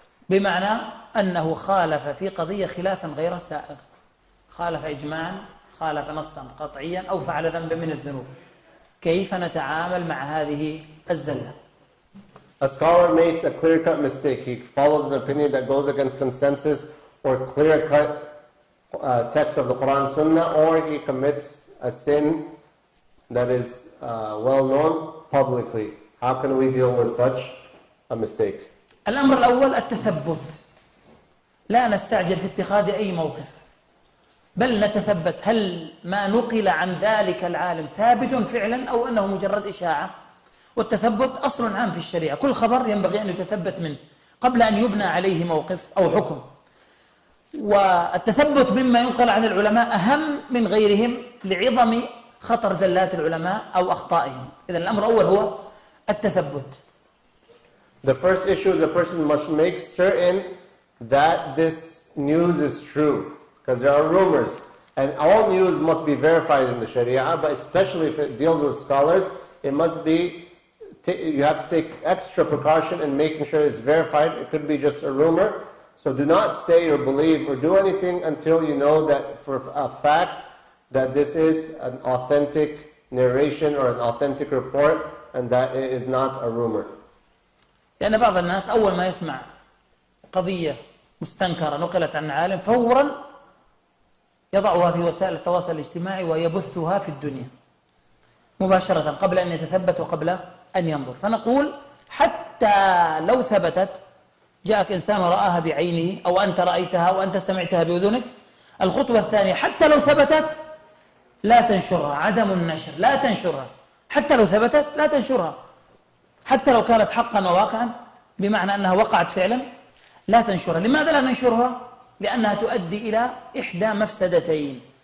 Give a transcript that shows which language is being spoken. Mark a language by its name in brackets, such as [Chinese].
[Arabic] بمعنى أنه خالف في قضية خلافا غير سائغ خالف إجماعا خالف نصا قطعيا أو فعل ذنبا من الذنوب كيف نتعامل مع هذه الزلة؟ [English] A scholar makes a clear-cut mistake. He follows an opinion that goes against consensus or clear-cut text of the Quran and Sunnah, or he commits a sin that is well-known publicly. How can we deal with such a mistake? [Arabic] الأمر الأول التثبت لا نستعجل في اتخاذ أي موقف بل نتثبت هل ما نقل عن ذلك العالم ثابت فعلا أو أنه مجرد إشاعة والتثبت أصل عام في الشريعة كل خبر ينبغي أن يتثبت منه قبل أن يبنى عليه موقف أو حكم والتثبت مما ينقل عن العلماء أهم من غيرهم لعظم خطر زلات العلماء أو أخطائهم إذن الأمر الأول هو التثبت. [English] The first issue is a person must make certain that this news is true, because there are rumors. And all news must be verified in the Sharia, but especially if it deals with scholars, it must be, you have to take extra precaution in making sure it's verified. It could be just a rumor. So do not say or believe or do anything until you know that for a fact that this is an authentic narration or an authentic report and that it is not a rumor. [Arabic] لأن بعض الناس أول ما يسمع قضية مستنكرة نقلت عن عالم فورا يضعها في وسائل التواصل الاجتماعي ويبثها في الدنيا مباشرة قبل أن يتثبت وقبل أن ينظر فنقول حتى لو ثبتت جاءك إنسان ورآها بعينه أو أنت رأيتها أو أنت سمعتها بأذنك الخطوة الثانية حتى لو ثبتت لا تنشرها عدم النشر لا تنشرها حتى لو ثبتت لا تنشرها حتى لو كانت حقا وواقعا بمعنى أنها وقعت فعلا لا تنشرها لماذا لا ننشرها؟ لأنها تؤدي إلى إحدى مفسدتين